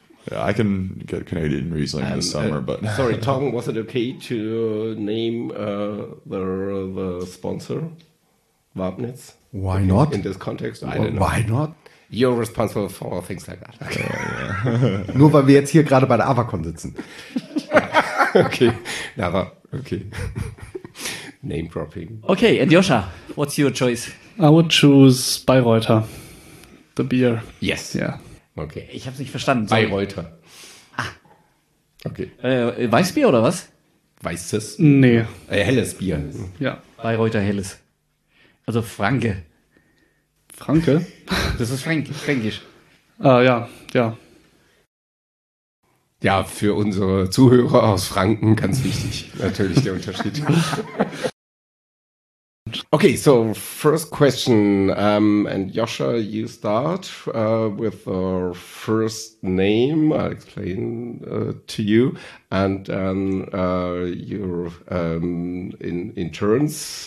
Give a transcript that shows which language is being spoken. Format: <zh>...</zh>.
<en>Yeah, I can get Canadian Riesling this summer, but sorry, Tom, was it okay to name the sponsor Wapnitz? Why not? In this context, I don't know. Why not? You're responsible for things like that. Okay.</en> <de>Nur weil wir jetzt hier gerade bei der Avacon sitzen.</de> <en>Okay, never. Okay. Name dropping. Okay, and Joscha, what's your choice? I would choose Bayreuther, the beer. Yes. Yeah. Okay.</en> <de>Ich habe es nicht verstanden.</de> <en>Sorry. Bayreuther. Ah. Okay.</en> <de>Weißbier oder was? Weißes? Nee. Helles Bier. Ja. Bayreuther Helles. Also Franke. Franke? Das ist Fränkisch. Ja. Ja, für unsere Zuhörer aus Franken ganz wichtig. Natürlich der Unterschied.</de> <en>Okay, so first question, and Joscha, you start with our first name. I'll explain to you, and then your in turns.</en>